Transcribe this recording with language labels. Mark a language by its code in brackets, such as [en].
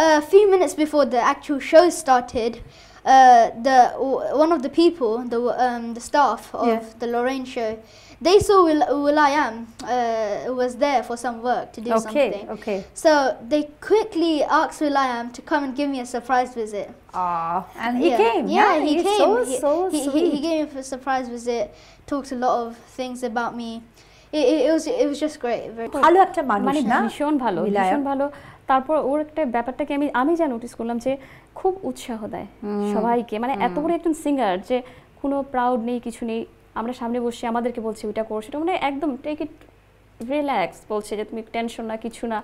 [en] Few minutes before the actual show started, the one of the people, the staff of the Lauren show, they saw William was there for some work to do something. Okay okay, so they quickly asked William to come and give me a surprise visit. He came. He gave me a surprise visit, talked a lot of things about me. It was just great. [bn] ভালো একটা মানুষ, মানে ভীষণ ভালো, ভীষণ ভালো। তারপর ওর একটা ব্যাপারটা কি, আমি যা নোটিস করলাম যে খুব উৎসাহ দেয় সবাইকে, মানে এত বড় একজন সিঙ্গার যে কোনো প্রাউড নেই কিছু নেই, আমরা সামনে বসে আমাদেরকে বলছে ওইটা করো সেটা, মানে একদম [en] take it relax [bn] বলছে যে তুমি টেনশন না কিছু না,